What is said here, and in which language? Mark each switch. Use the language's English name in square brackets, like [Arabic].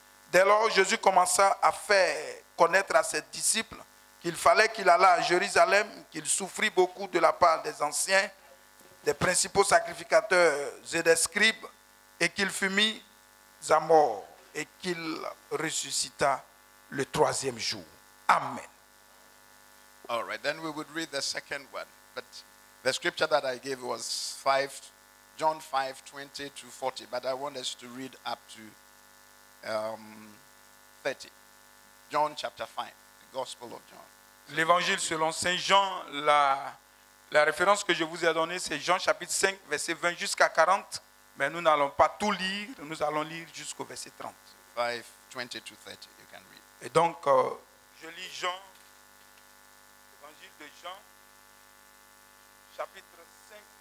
[French] Dès lors, Jésus commença à faire connaître à ses disciples qu'il fallait qu'il allât à Jérusalem, qu'il souffrit beaucoup de la part des anciens, des principaux sacrificateurs et des scribes, et qu'il fut mis à mort, et qu'il ressuscita le troisième jour. Amen. [English] All right, then we would read the second one. But the scripture that I gave was John 5, 20 to 40. But I want us to read up to 30. John chapter 5, the Gospel of John. [French] L'évangile selon Saint Jean, la référence que je vous ai donnée, c'est Jean chapitre 5, verset 20 jusqu'à 40. Mais nous n'allons pas tout lire, nous allons lire jusqu'au verset 30. [English] 5, 20 to 30, you can read. [French] Et donc, je lis Jean, l'évangile de Jean, chapitre 5.